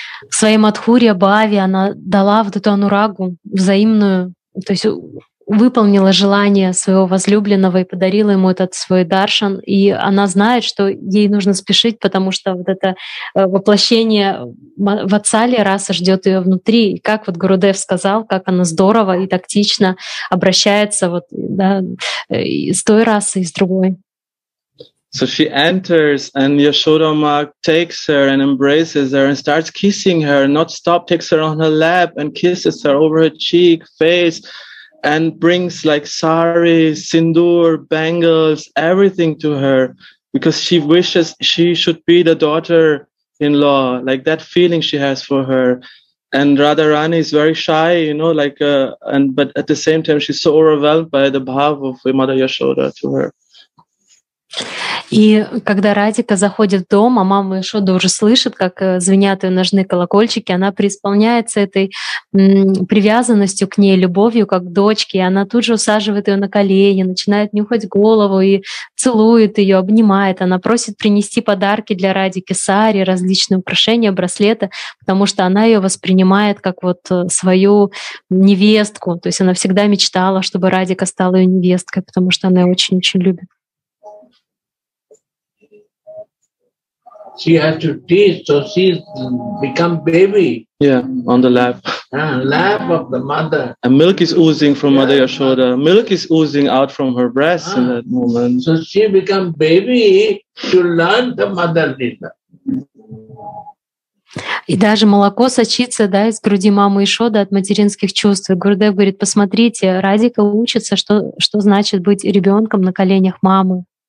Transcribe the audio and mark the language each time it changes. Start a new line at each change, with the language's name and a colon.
Russian: В своей Мадхурья Бхаве она дала вот эту анурагу взаимную, то есть выполнила желание своего возлюбленного и подарила ему этот свой даршан. И она знает, что ей нужно спешить, потому что вот это воплощение Ватсалья раса ждет ее внутри. И как вот Гурудев сказал, как она здорово и тактично обращается вот, да, с той расы и с другой.
English: So she enters, and Yashoda Ma takes her and embraces her and starts kissing her, not stop, takes her on her lap and kisses her over her cheek, face, and brings like sari, sindoor, bangles, everything to her, because she wishes she should be the daughter-in-law, like that feeling she has for her. And Radharani is very shy, you know, like, but at the same time, she's so overwhelmed by the bhav of Mother Yashoda to her.
Russian: И когда Радика заходит в дом, а мама Ишода уже слышит, как звенят ее ножные колокольчики, она преисполняется этой привязанностью к ней, любовью, как к дочке, и она тут же усаживает ее на колени, начинает нюхать голову и целует ее, обнимает. Она просит принести подарки для Радики, сари, различные украшения, браслеты, потому что она ее воспринимает как вот свою невестку. То есть она всегда мечтала, чтобы Радика стала ее невесткой, потому что она ее очень-очень любит.
English: She has to teach, so she become baby. Yeah, on the lap. Lap of the mother. And milk is oozing from Mother Yashoda. Milk is oozing out from her breasts in that moment. So she become baby to learn the mother Lila.
Russian: И даже молоко сочится, да, из груди мамы Ишоды от материнских чувств. Гурудев говорит, посмотрите, Радика учится, что значит быть ребенком на коленях мамы.